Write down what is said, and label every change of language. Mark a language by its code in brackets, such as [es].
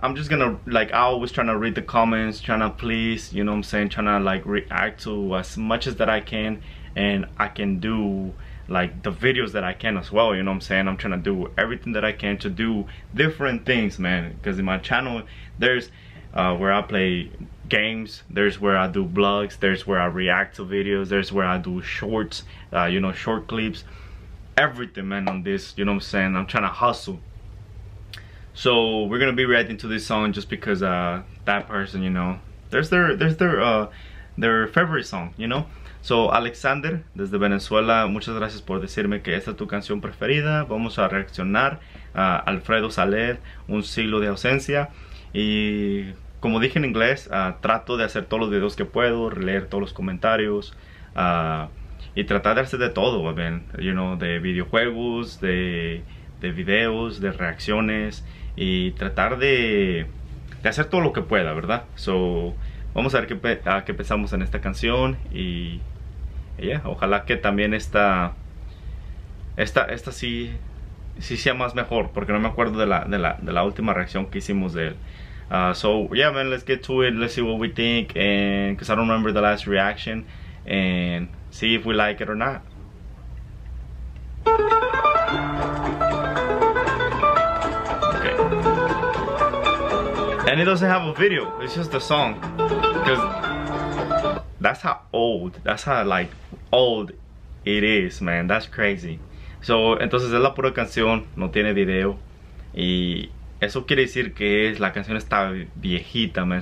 [en] I'm just gonna, like, I always trying to read the comments, trying to please, you know what I'm saying, trying to like react to as much as that I can, and I can do like the videos that I can as well, you know what I'm saying. I'm trying to do everything that I can to do different things, man, because in my channel there's where I play games, there's where I do blogs, there's where I react to videos, there's where I do shorts, you know, short clips, everything, man, on this, you know what I'm saying. I'm trying to hustle. So we're gonna be reacting to this song just because that person, you know, there's their favorite song, you know. [es] So Alexander desde Venezuela, muchas gracias por decirme que esta es tu canción preferida. Vamos a reaccionar a Alfredo Saler, Un Siglo de Ausencia. Y como dije en inglés, trato de hacer todos los videos que puedo, leer todos los comentarios, y tratar de hacer de todo, man. [en] You know, [es] de videojuegos, de videos, de reacciones, y tratar de hacer todo lo que pueda, ¿verdad? So, vamos a ver qué pensamos en esta canción, y yeah, ojalá que también esta sí sea más mejor, porque no me acuerdo de la última reacción que hicimos de él. [en] So yeah, man, let's get to it, let's see what we think, and because I don't remember the last reaction, and see if we like it or not. Okay. And it doesn't have a video, it's just a song, because that's how old it is, man. That's crazy. [es] So entonces es la pura canción, no tiene video, y eso quiere decir que es, la canción está viejita, man.